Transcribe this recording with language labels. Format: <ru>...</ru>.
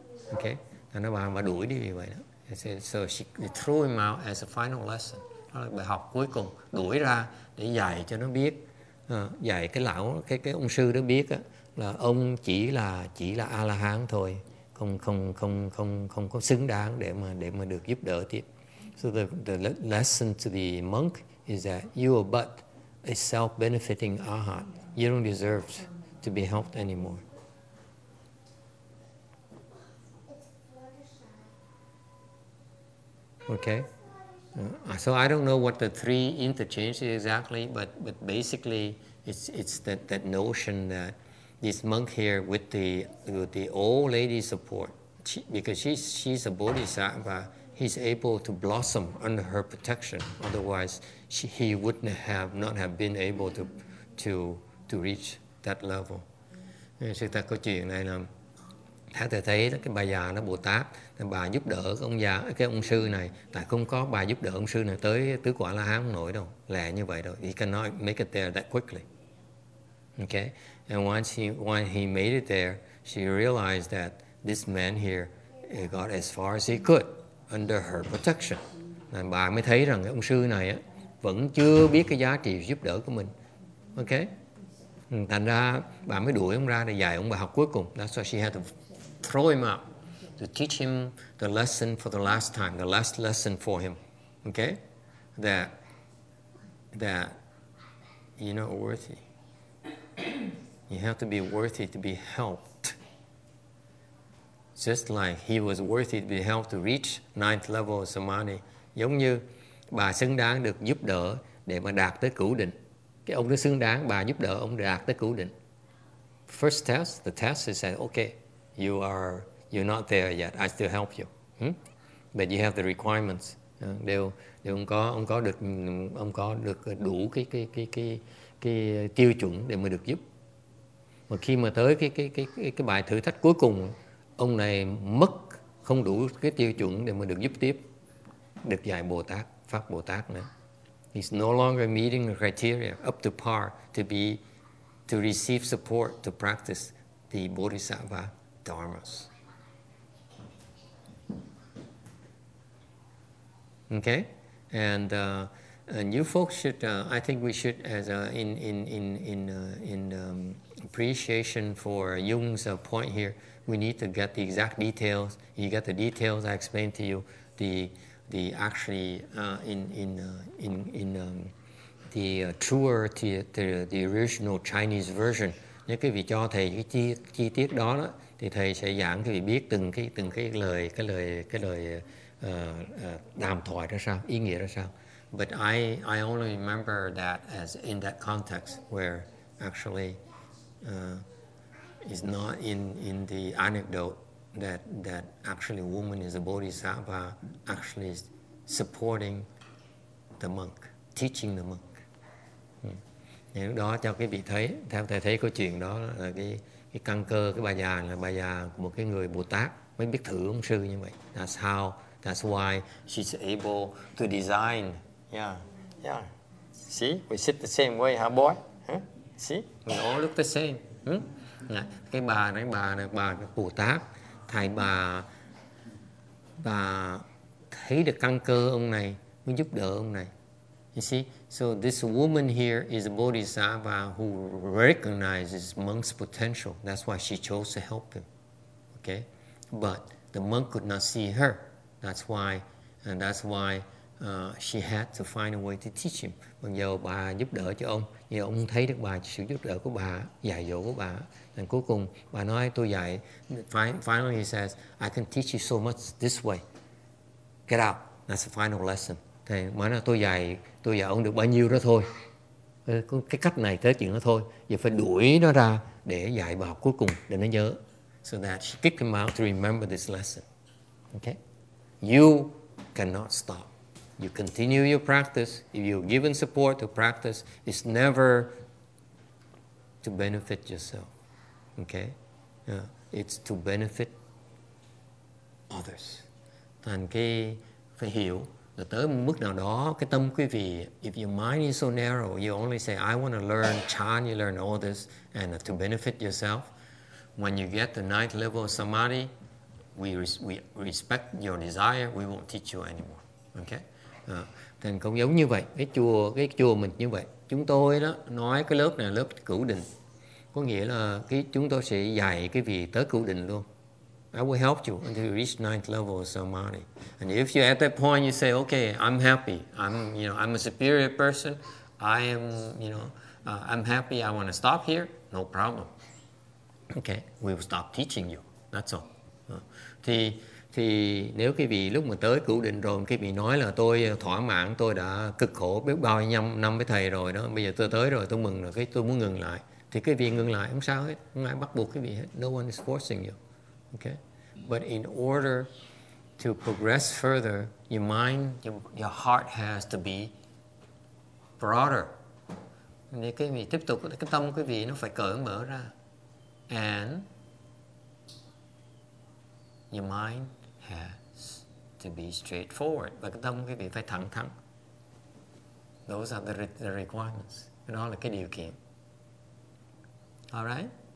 <vi>Okay, nó bảo mà đuổi đi vì vậy đó.</vi> <en>So she threw him out as a final lesson.</en> <vi>Đó là bài học cuối cùng, đuổi ra để dạy cho nó biết, dạy cái lão, cái ông sư đó biết á, là ông chỉ là a la hán thôi, không có xứng đáng để mà được giúp đỡ tiếp.</vi> <en>So the lesson to the monk is that you are but a self-benefiting arhat. You don't deserve to be helped anymore. Okay? So I don't know what the three interchange is exactly, but basically it's that notion that this monk here with the old lady support, because she's a bodhisattva, he's able to blossom under her protection. Otherwise, he wouldn't have not have been able to reach that level.</en> <vi>Sự thật câu chuyện này là theo tôi thấy đó, cái bà già nó Bồ Tát, bà giúp đỡ cái ông sư này, tại không có bà giúp đỡ ông sư này tới tứ quả la hán nổi đâu, lẹ như vậy đâu.</vi> <en>He cannot make it there that quickly. Okay, and once he made it there, she realized that this man here got as far as he could under her protection.</en> <vi>Nên bà mới thấy rằng cái ông sư này á, vẫn chưa biết cái giá trị giúp đỡ của mình. Ok? Thành ra bà mới đuổi ông ra để dạy ông bài học cuối cùng.</vi> <en>That's why she had to throw him out to teach him the lesson for the last time, the last lesson for him. Ok? That you're not worthy. You have to be worthy to be helped. Just like he was worthy to be helped to reach ninth level of samadhi,</en> <vi>giống như bà xứng đáng được giúp đỡ để mà đạt tới cửu định. Cái ông đó xứng đáng, bà giúp đỡ ông đạt tới cửu định.</vi> <en>First test, the test is that okay, you're not there yet. I still help you, but you have the requirements.</en> <vi>Đều ông có được đủ cái tiêu chuẩn để mà được giúp. Mà khi mà tới cái bài thử thách cuối cùng, ông này mất, không đủ cái tiêu chuẩn để mà được giúp tiếp, được dạy Bồ Tát, Pháp Bồ Tát nữa.</vi> <en>He's no longer meeting the criteria up to par to receive support to practice the Bodhisattva Dharmas. Okay? And you folks should, I think we should, as in appreciation for Jung's point here, we need to get the exact details. You get the details I explained to you, the original Chinese version.</en> <vi>Nếu quý vị cho thầy cái chi tiết đó đó, thì thầy sẽ giảng quý vị biết từng cái lời đàm thoại ra sao, ý nghĩa ra sao.</vi> <en>But I only remember that as in that context where actually it's not in the anecdote that actually a woman is a bodhisattva actually is supporting the monk, teaching the monk.</en> <vi>Những đó cho cái vị thấy, theo thầy thấy câu chuyện đó là cái căn cơ, cái bà già là bà già một cái người Bồ Tát mới biết thử ông sư như vậy.</vi> <en>That's how, that's why she's able to design. Yeah, yeah. See, we sit the same way, huh, boy? Huh? See, we all look the same. Yeah.</en> <vi>Cái bà Bồ Tát, thầy bà thấy được căn cơ ông này, mới giúp đỡ ông này.</vi> <en>You see, so this woman here is a bodhisattva who recognizes monk's potential. That's why she chose to help him. Okay, but the monk could not see her. That's why she had to find a way to teach him.</en> <vi>Mặc dù bà giúp đỡ cho ông, nhưng ông thấy được bà sự giúp đỡ của bà, dạy dỗ của bà. And cuối cùng bà nói tôi dạy.</vi> <en>Finally, he says, I can teach you so much this way. Get out. That's the final lesson.</en> <vi>Thầy nói là tôi dạy ông được bao nhiêu đó thôi. Cái cách này tới chuyện đó thôi. Giờ phải đuổi nó ra để dạy bài học cuối cùng để nó nhớ.</vi> <en>So that she kicked him out to remember this lesson. Okay? You cannot stop. You continue your practice. If you're given support to practice, it's never to benefit yourself. Okay? It's to benefit others.</en> <vi>Thành cái phải hiểu. Là tới một mức nào đó, cái tâm quý vị,</vi> <en>if your mind is so narrow, you only say, I want to learn Chan, you learn all this, and to benefit yourself. When you get the ninth level of Samadhi, we respect your desire, we won't teach you anymore. Okay?</en> <vi>Thành cũng giống như vậy, cái chùa mình như vậy. Chúng tôi đó, nói cái lớp này là lớp cửu định. Có nghĩa là chúng tôi sẽ dạy cái vị tới cửu định luôn.</vi> <en>I will help you until you reach ninth level of samadhi. And if you're at that point, you say, okay, I'm happy. I'm a superior person. I am, I'm happy. I want to stop here. No problem. Okay. We will stop teaching you. That's all.</en> <vi>Thì nếu cái vị lúc mà tới cửu định rồi, cái vị nói là tôi thỏa mãn, tôi đã cực khổ biết bao nhiêu năm với thầy rồi đó. Bây giờ tôi tới rồi, tôi mừng rồi. Cái tôi muốn ngừng lại. Thì cái vị ngừng lại, không sao hết. Không ai bắt buộc cái vị hết.</vi> <en>No one is forcing you. Okay, but in order to progress further, your mind, your heart has to be broader.</en> <vi>Nên cái vị tiếp tục cái tâm quý vị nó phải cởi mở ra,</vi> <en>and your mind has to be straightforward.</en> <vi>Và cái tâm quý vị phải thẳng thắn.</vi> <en>Those are the requirements.</en> <vi>Đó là cái điều kiện. All right.</vi>